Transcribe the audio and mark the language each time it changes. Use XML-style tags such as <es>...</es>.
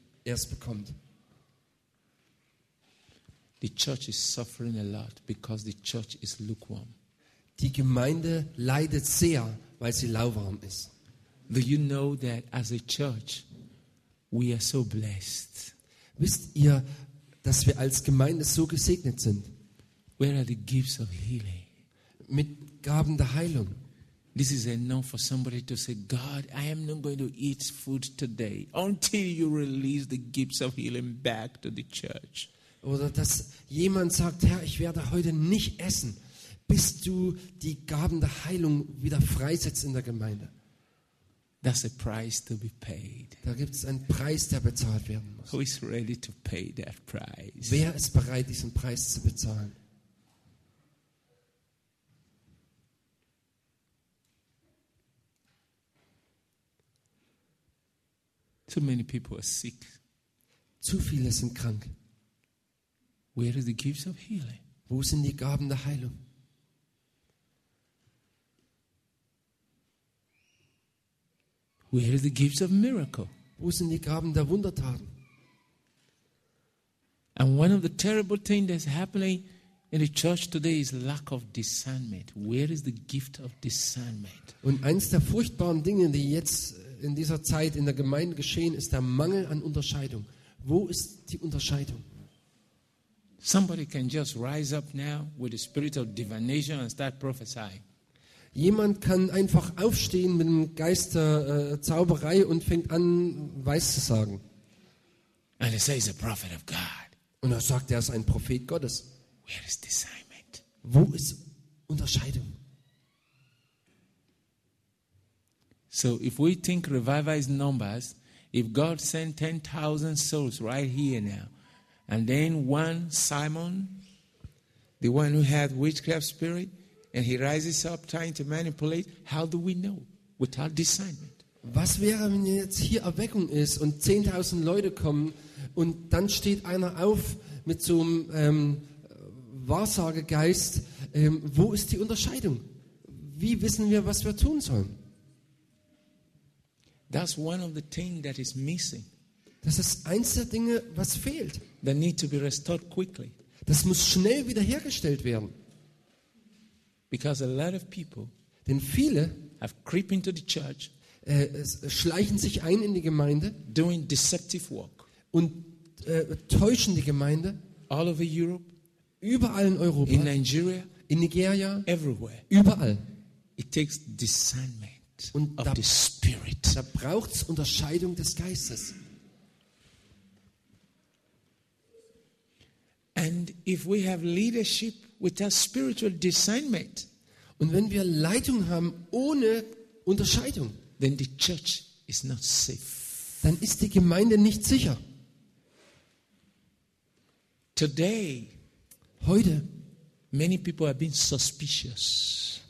<de>erst bekommt.</de> <en>The church is suffering a lot because the church is lukewarm.</en> <de>Die Gemeinde leidet sehr, weil sie lauwarm ist.</de> <en>Do you know that as a church we are so blessed?</en> <de>Wisst ihr, dass wir als Gemeinde so gesegnet sind?</de> <en>Where are the gifts of healing?</en> <de>Mit Gaben der Heilung.</de> <en>This is enough for somebody to say, God, I am not going to eat food today until you release the gifts of healing back to the church.</en> <de>Oder dass jemand sagt, Herr, ich werde heute nicht essen, bis du die Gaben der Heilung wieder freisetzt in der Gemeinde.</de> <en>That's a price to be paid.</en> <de>Da gibt es einen Preis, der bezahlt werden muss.</de> <en>Who is ready to pay that price?</en> <de>Wer ist bereit, diesen Preis zu bezahlen?</de> <en>Too many people are sick.</en> <de>Zu viele sind krank.</de> <en>Where are the gifts of healing?</en> <de>Wo sind die Gaben der Heilung?</de> <en>Where are the gifts of miracle?</en> <de>Wo sind die Gaben der Wundertaten?</de> <en>And one of the terrible things that's happening in the church today is lack of discernment. Where is the gift of discernment?</en> <de>Und eins der furchtbaren Dinge, die jetzt in dieser Zeit in der Gemeinde geschehen, ist der Mangel an Unterscheidung. Wo ist die Unterscheidung?</de> <en>Somebody can just rise up now with the spirit of divination and start prophesying.</en> <de>Jemand kann einfach aufstehen mit dem Geist der Zauberei und fängt an, weiszusagen.</de> <en>And he says, a prophet of God.</en> <de>Und er sagt, er ist ein Prophet Gottes.</de> <en>Where is discernment?</en> <de>Wo ist Unterscheidung?</de> <en>So, if we think revival is numbers, if God sent 10,000 souls right here now, and then one Simon, the one who had witchcraft spirit, and he rises up trying to manipulate, how do we know without discernment?</en> <de>Was wäre, wenn jetzt hier Erweckung ist und 10,000 Leute kommen und dann steht einer auf mit so einem Wahrsagegeist, wo ist die Unterscheidung? Wie wissen wir, was wir tun sollen?</de> <en>That's one of the things that is missing.</en> <de>Das ist eins der Dinge, was fehlt.</de> <en>They need to be restored quickly.</en> <de>Das muss schnell wiederhergestellt werden.</de> <en>Because a lot of people,</en> <de>denn viele,</de> <en>have creeped into the church,</en> <de>schleichen sich ein in die Gemeinde,</de> <en>doing deceptive work,</en> <de>und täuschen die Gemeinde,</de> <en>all over Europe,</en> <de>überall in Europa,</de> <en>in Nigeria,</en> <de>in Nigeria,</de> <en>everywhere,</en> <de>überall.</de> <en>It takes discernment</en> <de>und</de> <en>of the spirit.</en> <de>Da braucht's Unterscheidung des Geistes.</de> <en>And if we have leadership without spiritual discernment,</en> <de>und wenn wir Leitung haben ohne Unterscheidung,</de> <en>then the church is not safe.</en> <de>Dann ist die Gemeinde nicht sicher.</de> <en>Today,</en> <de>heute,</de> <en>many people have been suspicious.</en>